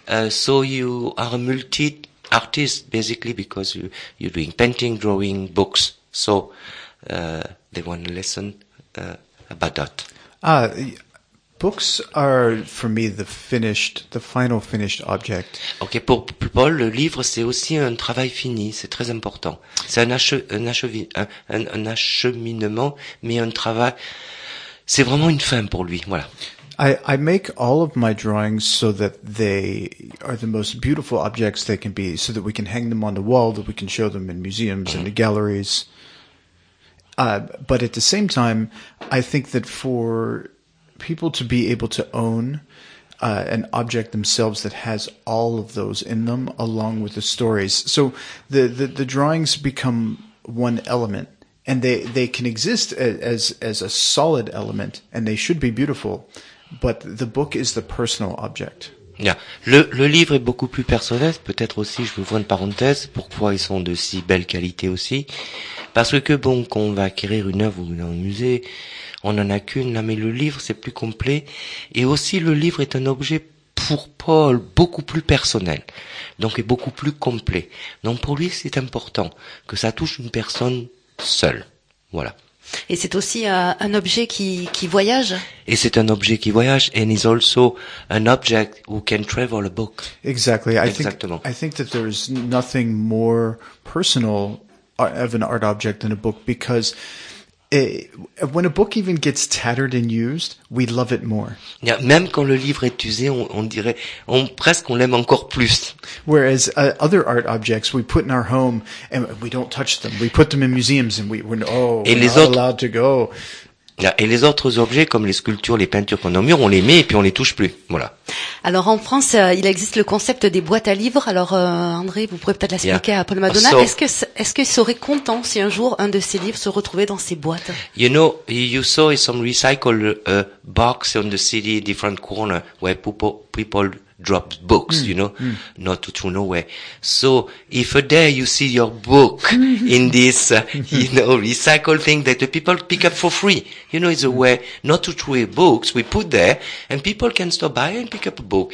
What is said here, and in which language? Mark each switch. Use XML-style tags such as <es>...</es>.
<en>So you are a multi artist, basically, because you're doing painting, drawing, books. So, they want to listen, about that. Books are for me the final finished object.</en> <fr>Okay, pour Paul, le livre c'est aussi un travail fini, c'est très important. C'est un acheminement, mais un travail, c'est vraiment une fin pour lui, voilà.</fr> <en>I make all of my drawings so that they are the most beautiful objects they can be, so that we can hang them on the wall, that we can show them in museums and the galleries. But at the same time, I think that for people to be able to own an object themselves that has all of those in them, along with the stories, so the drawings become one element, and they can exist as a solid element, and they should be beautiful, but the book is the personal object. Yeah.</en> <fr>Le livre est beaucoup plus personnel, peut-être aussi, je vous ouvre une parenthèse, pourquoi ils sont de si belle qualité aussi. Parce que bon, quand on va acquérir une œuvre ou dans un musée, on n'en a qu'une, mais le livre c'est plus complet. Et aussi le livre est un objet pour Paul beaucoup plus personnel, donc est beaucoup plus complet. Donc pour lui c'est important que ça touche une personne seule, voilà. Et c'est aussi un objet qui voyage. Et c'est un objet qui voyage,</fr> <en>and is also an object who can travel a book. Exactly.</en> <fr>Exactement.</fr> <en>I think that there is nothing more personal of an art object than a book, because when a book even gets tattered and used, we love it more.</en> <fr>Yeah, même quand le livre est usé, on l'aime encore plus.</fr> <en>Whereas other art objects we put in our home and we don't touch them. We put them in museums and allowed to go.</en> <fr>Yeah, et les autres objets comme les sculptures, les peintures qu'on a au mur, on les met et puis on les touche plus. Voilà. Alors en France, il existe le concept des boîtes à livres. Alors André, vous pourrez peut-être l'expliquer à Paul Madonna.</fr> <en>So,</en> <fr>est-ce qu'il serait content si un jour un de ses livres se retrouvait dans ses boîtes?</fr> <en>You know, you saw some recycled box on the city, different corner where people drop books, you know, not to throw away. So if a day you see your book in this, you know, recycle thing that the people pick up for free, you know, it's a way not to throw away books we put there, and people can stop by and pick up a book.</en>